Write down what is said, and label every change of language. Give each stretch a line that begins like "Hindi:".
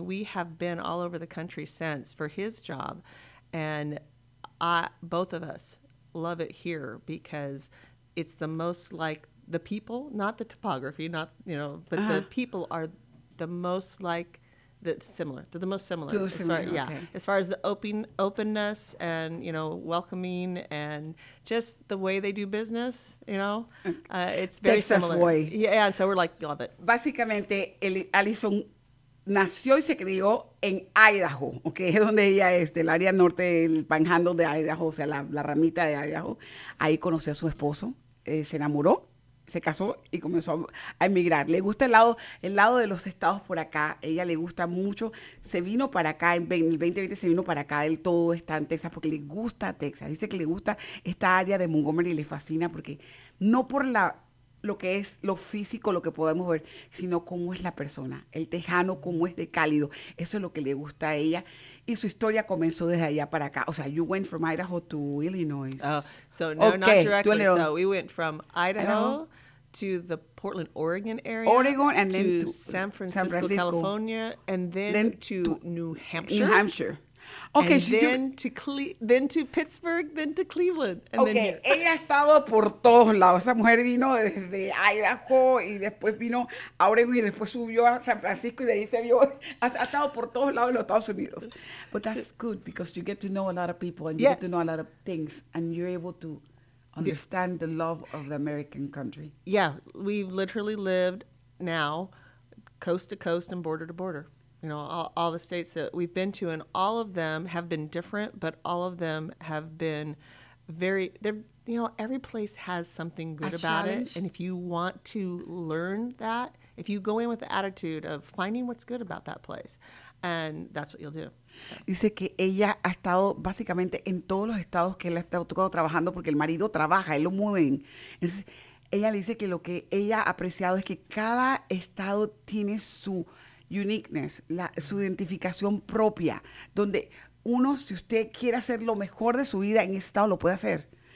English: We have been all over the country since for his job, and both of us love it here because it's the most like the people, not the topography, not, you know, but the people are the most like, they're the most similar. As far as the openness and, you know, welcoming and just the way they do business, you know, it's very Texas similar. Boy. Yeah, and so we're like, love it.
Spanish: Básicamente, Allison nació y se crió en Idaho, okay, es donde ella es, del área norte del panhandle de Idaho, o sea, la ramita de Idaho. Ahí conoció a su esposo, se enamoró. Se casó y comenzó a emigrar. Le gusta el lado de los estados por acá. Ella le gusta mucho. Se vino para acá, en el 2020 se vino para acá. Él todo está en Texas porque le gusta Texas. Dice que le gusta esta área de Montgomery y le fascina porque no por lo que es lo físico, lo que podemos ver, sino cómo es la persona. El tejano, cómo es de cálido. Eso es lo que le gusta a ella. Y su historia comenzó desde allá para acá. O sea,
English: you went from Idaho to Illinois. Oh, so no, okay. Not directly. So we went from Idaho to the Portland, Oregon area. Oregon and then to San Francisco, California. And then to New Hampshire. New Hampshire. Okay, and then to Pittsburgh, then to Cleveland. And okay, then
Spanish: ella ha estado por todos lados. Esa mujer vino desde Idaho y después vino a Oregon y después subió a San Francisco y de ahí se vio. Ha estado por todos lados en los Estados Unidos. But that's good because you get to know a lot of people and you get to know a lot of things and you're able to understand the love of the American country. Yeah, we've literally lived now coast to coast and border to border. You know, all the states that we've been to, and all of them have been different, but all of them have been every place has something good about it. And if you want to learn that, if you go in with the attitude of finding what's good about that place, and that's what you'll do. Dice que ella ha estado básicamente en todos los estados que él ha estado trabajando porque el marido trabaja, él lo mueven. Entonces, ella le dice que lo que ella ha apreciado es que cada estado tiene su uniqueness, su identificación propia, donde uno, si usted quiere hacer lo mejor de su vida en ese estado, lo puede hacer.